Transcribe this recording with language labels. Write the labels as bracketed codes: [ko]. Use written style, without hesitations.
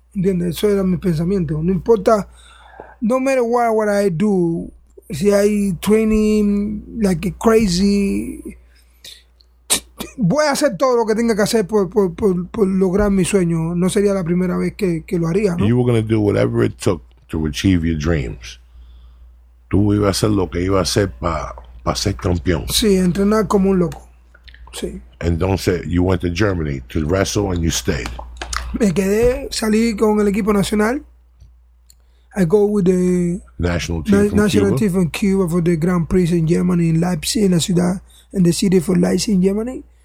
[es] ¿Entiendes? Eso era mi pensamiento. No importa. [en] No matter what I do. Si I training like crazy. [es] Voy a hacer todo lo que tenga que hacer por lograr mi sueño. No sería la primera vez que lo haría, ¿no? [en] You were going to do whatever it took to achieve your dreams. [es] Tú ibas a hacer lo que ibas a hacer para ser campeón. Sí, entrenar como un loco. Sí. [en] Entonces, you went to Germany to wrestle and you stayed. [es] Me quedé, salí con el equipo nacional. [en] I go with the national team, team from Cuba for the Grand Prix in Germany, in Leipzig, in [es] la ciudad. [en] In the city for Leipzig in Germany.